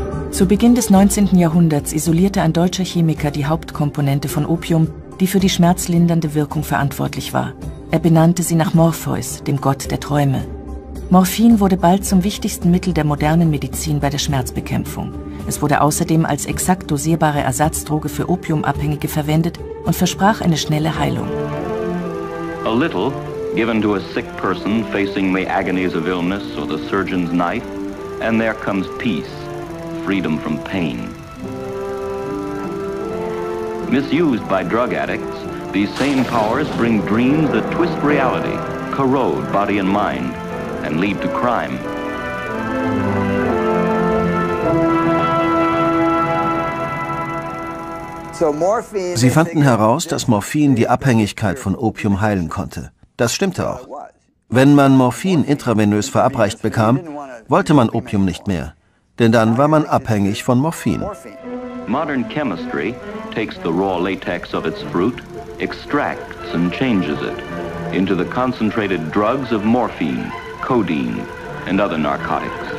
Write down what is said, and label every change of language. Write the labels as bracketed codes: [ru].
[de] Zu Beginn des 19. Jahrhunderts isolierte ein deutscher Chemiker die Hauptkomponente von Opium, die für die schmerzlindernde Wirkung verantwortlich war. Er benannte sie nach Morpheus, dem Gott der Träume. Morphin wurde bald zum wichtigsten Mittel der modernen Medizin bei der Schmerzbekämpfung. Es wurde außerdem als exakt dosierbare Ersatzdroge für Opiumabhängige verwendet und versprach eine schnelle Heilung. [en] A little, given to a sick person facing the agonies of illness or the surgeon's knife, and there comes peace. Freedom from pain. Misused by drug addicts, these same powers bring dreams that twist reality, corrode body and mind, and lead to crime. [de] Sie fanden heraus, dass Morphin die Abhängigkeit von Opium heilen konnte. Das stimmte auch. Wenn man Morphin intravenös verabreicht bekam, wollte man Opium nicht mehr. Denn dann war man abhängig von Morphin. [en] Modern chemistry takes the raw latex of its fruit, extracts and changes it into the concentrated drugs of morphine, codeine and other narcotics.